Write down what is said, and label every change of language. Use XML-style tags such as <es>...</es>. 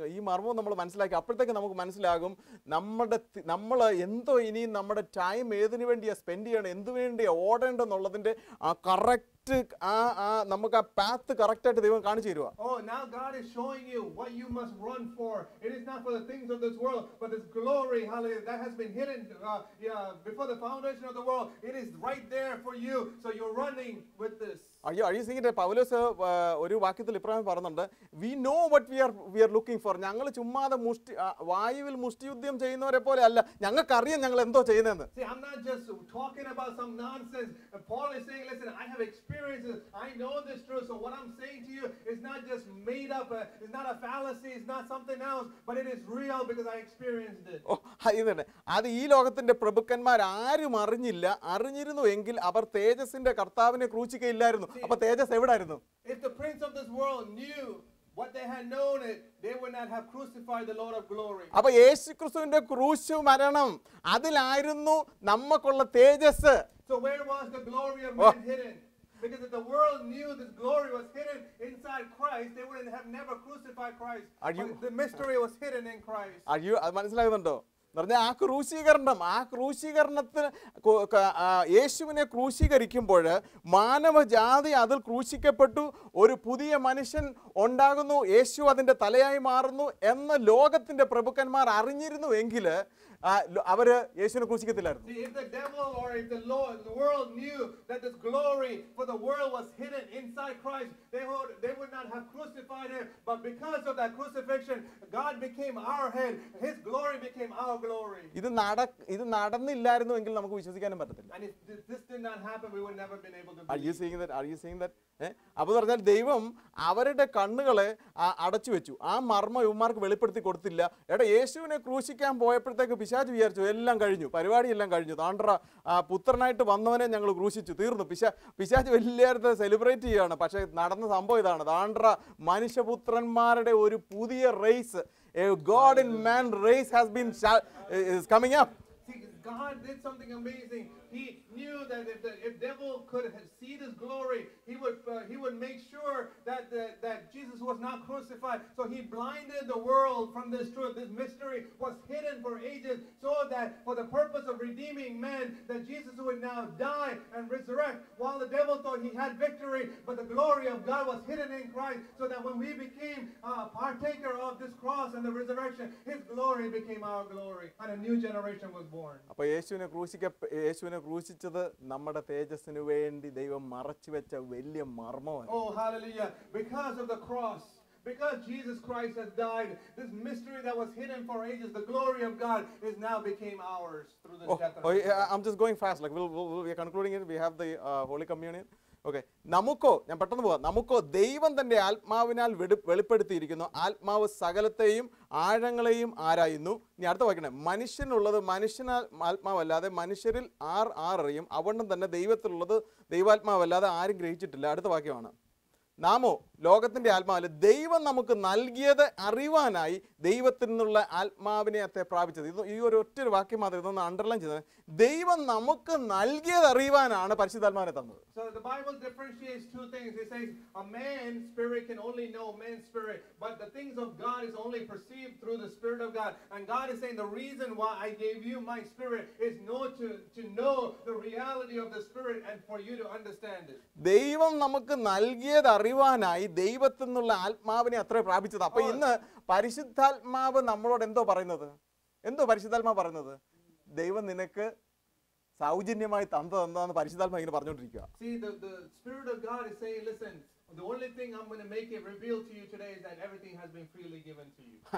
<ml>ഈ മർമ്മം നമ്മൾ മനസ്സിലാക്കി അപ്പോഴത്തേക്ക് നമുക്ക് മനസ്സിലാകും നമ്മള് എന്തോ ഇനിയും നമ്മുടെ ടൈം ഏതിനു വേണ്ടിയാ സ്പെൻഡ് ചെയ്യണം, എന്തു വേണ്ടിയാ ഓടേണ്ടത് എന്നുള്ളതിന്റെ ആ കറക്റ്റ് നമുക്ക് ആ പാത്ത് കറക്റ്റ് ആയിട്ട് ദൈവം കാണിച്ചു തരുവാ.</ml> <en>Oh, now God is showing you what you must run for. It is not for the things of this world, but this glory, hallelujah, that has been hidden before the foundation of the world. It is right there for you. So you're running with this.</en> <ml>അയ്യോ അയ്യോ സിംഗിന്റെ പൗലോസ് ഒരു വാക്യത്തിൽ ഇപ്രകാരം പറയുന്നുണ്ട്,</ml> <en>We know what we are looking for.</en> <ml>ഞങ്ങൾ ചുമ്മാതെ മുഷ്ടി വായുവിൽ മുഷ്ടിയുദ്ധം ചെയ്യുന്നവരെ പോലെ അല്ല, ഞങ്ങൾക്ക് അറിയാം ഞങ്ങൾ എന്തോ ചെയ്യുന്നതെന്ന്.</ml> <en>See, I'm not just talking about some nonsense. Paul is saying, listen, I have experiences, I know this truth, so what I'm saying to you is not just made up, it's not a fallacy, it's not something else, but it is real because I experienced it.</en> <ml>ഹൈദനെ അത് ഈ ലോകത്തിന്റെ പ്രഭുക്കന്മാർ ആരും അറിഞ്ഞില്ല. അറിഞ്ഞിരുന്നുവെങ്കിൽ അവർ തേജസ്സിന്റെ കർത്താവിനെ ക്രൂശിക്കയില്ല. അപ്പൊ തേജസ് എവിടായിരുന്നു?</ml> <en>If the prince of this world knew what they had known it, they would not have crucified the Lord of glory.</en> <ml>അപ്പോൾ യേശുക്രിസ്തുവിന്റെ ക്രൂശ് മരണം അതിലായിരുന്നു നമ്മക്കുള്ള തേജസ്.</ml> <en>So where was the glory of man hidden? Because if the world knew this glory was hidden inside Christ, they wouldn't have never crucified Christ. The mystery was hidden in Christ. Are you</en> <ml>മനസ്സിലാകുന്നുണ്ടോ? പറഞ്ഞാൽ ആ ക്രൂശീകരണം, ആ ക്രൂശീകരണത്തിന് യേശുവിനെ ക്രൂശീകരിക്കുമ്പോൾ മാനവജാതി അതിൽ ക്രൂശിക്കപ്പെട്ടു, ഒരു പുതിയ മനുഷ്യൻ ഉണ്ടാകുന്നു, യേശു അതിൻ്റെ തലയായി മാറുന്നു എന്ന് ലോകത്തിൻ്റെ പ്രഭുക്കന്മാർ അറിഞ്ഞിരുന്നു എങ്കിൽ അവര് യേശുവിനെ ക്രൂശിക്കത്തില്ലായിരുന്നു.</ml> <en>See, if the devil or if the world knew that this glory for the world was hidden inside Christ, they would not have crucified him. But because of that crucifixion, God became our head, his glory became our glory.</en> <ml>ഇത് നടന്നില്ലായിരുന്നെങ്കിൽ നമുക്ക് വിശ്വസിക്കാനും പറ്റത്തില്ല.</ml> <en>And if this did not happen, we would never been able to. Are you seeing that?</en> <ml>അപ്പൊ പറഞ്ഞാൽ ദൈവം അവരുടെ കണ്ണുകളെ അടച്ചു വെച്ചു, ആ മർമ്മ യുവമാർക്ക് വെളിപ്പെടുത്തി കൊടുത്തില്ല. എടാ യേശുവിനെ ക്രൂശിക്കാൻ പോയപ്പോഴത്തേക്ക് പിശാച് വിചാരിച്ചു എല്ലാം കഴിഞ്ഞു, പരിപാടി എല്ലാം കഴിഞ്ഞു, താണ്ടറ പുത്രനായിട്ട് വന്നവനെ ഞങ്ങൾ ക്രൂശിച്ചു തീർന്നു. പിശാച് വലിയത് സെലിബ്രേറ്റ് ചെയ്യുകയാണ്, പക്ഷെ നടന്ന സംഭവം ഇതാണ്. താണ്ടറ മനുഷ്യപുത്രന്മാരുടെ ഒരു പുതിയ raise,</ml> <en>A God in man race has been coming up. God did something amazing. He knew that if the devil could see this glory, he would make sure that that Jesus was not crucified. So he blinded the world from this truth. This mystery was hidden for ages so that for the purpose of redeeming men, that Jesus would now die and resurrect. While the devil thought he had victory, but the glory of God was hidden in Christ, so that when we became partaker of this cross and the resurrection, his glory became our glory and a new generation was born.</en> <ml>അപ്പൊ യേശുവിനെ ക്രൂശിച്ചത് നമ്മുടെ തേജസ്സിന് വേണ്ടി ദൈവം മറച്ചു വെച്ച വലിയ മർമ്മമാണ്.</ml> <en>Oh, hallelujah. Because of the cross, because Jesus Christ has died, this mystery that was hidden for ages, the glory of God, is now became ours through the death. Yeah, I'm just going fast. Like we are concluding it. We have the Holy Communion.</en> <ml>Okay, നമുക്കോ, ഞാൻ പെട്ടെന്ന് പോവാം, നമുക്കോ ദൈവം തന്റെ ആത്മാവിനാൽ വെളിപ്പെടുത്തിയിരിക്കുന്നു, ആത്മാവ് സകലത്തെയും ആഴങ്ങളെയും ആരായുന്നു. ഇനി അടുത്ത വായിക്കണേ, മനുഷ്യനുള്ളത് മനുഷ്യനാൽ ആത്മാവല്ലാതെ മനുഷ്യരിൽ ആറിയും അവണ്ണം തന്നെ ദൈവത്തിലുള്ളത് ദൈവാത്മാവല്ലാതെ ആരും ഗ്രഹിച്ചിട്ടില്ല. അടുത്ത വാക്യമാണ്, നാമോ ലോകത്തിന്റെ ആത്മാവല്ല, ദൈവം നമുക്ക് നൽകിയത് അറിയുവാനായി ദൈവത്തിൽ നിന്നുള്ള ആത്മാവിനെ അത്തെ പ്രാപിച്ചത്. ഇത് ഈ ഒരു ഒറ്റൊരു വാക്യം മാത്രം ഇതൊന്ന് അണ്ടർലൈൻ ചെയ്തത്, ദൈവം നമുക്ക് നൽകിയത് അറിയുവാനാണ് പരിശുദ്ധാത്മാവിനെ തന്നത്.</ml> <en>So the Bible differentiates two things. It says a man's spirit can only know man's spirit, but the things of God is only perceived through the Spirit of God. And God is saying the reason why I gave you my spirit is not to know the reality of the spirit and for you to understand it.</en> <ml>ദൈവം നമുക്ക് നൽകിയത് അറിയുവാനായി ദൈവത്തിൽ നിന്നുള്ള ആത്മാവിനെ അത്രേ പ്രാപിച്ചത്. അപ്പോൾ ഇന്ന് പരിശുദ്ധാത്മാവ് നമ്മളോട് എന്തോ പറയുന്നത്, എന്തോ പരിശുദ്ധാത്മാവ് പറയുന്നത്, ദൈവം നിനക്ക് സൗജന്യമായി തന്നതെന്താന്ന് പരിശുദ്ധാത്മാവ് ഇങ്ങനെ പറഞ്ഞുകൊണ്ടിരിക്കുക.</ml> <en>See, the Spirit of God is saying, listen, The only thing I'm going to make it reveal to you today is that everything has been freely given to you.</en>